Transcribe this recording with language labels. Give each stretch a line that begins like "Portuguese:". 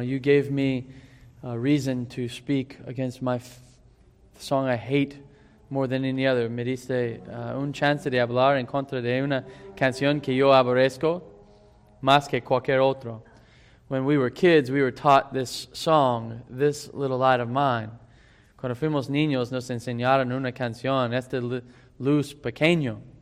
English: You gave me a reason to speak against my song I hate more than any other.
Spanish: Me diste un chance de hablar en contra de una canción que yo aborrezco más que cualquier otro.
English: When we were kids, we were taught this song, This Little Light of Mine.
Spanish: Cuando fuimos niños, nos enseñaron una canción, Este Luz Pequeño.